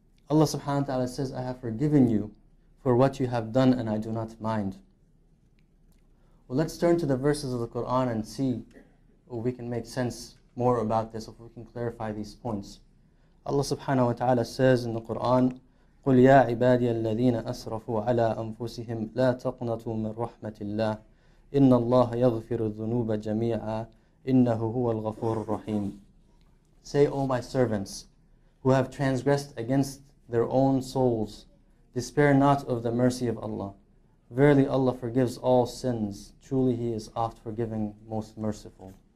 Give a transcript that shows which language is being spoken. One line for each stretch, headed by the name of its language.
English: Allah subhanahu wa ta'ala says, I have forgiven you for what you have done and I do not mind. Well, let's turn to the verses of the Quran and see if we can make sense more about this, if we can clarify these points. Allah subhanahu wa ta'ala says in the Quran,
Arabic: قُلْ يَا عِبَادِيَ الَّذِينَ أَسْرَفُوا عَلَىٰ أَنفُسِهِمْ لَا تَقْنَطُوا مِنْ رَحْمَةِ اللَّهِ إِنَّ اللَّهَ يَغْفِرُ الذُّنُوبَ جَمِيعًا إِنَّهُ هُوَ الْغَفُورُ الرَّحِيمُ.
English: Say, O my servants, who have transgressed against their own souls, despair not of the mercy of Allah. Verily Allah forgives all sins. Truly He is oft forgiving, most merciful.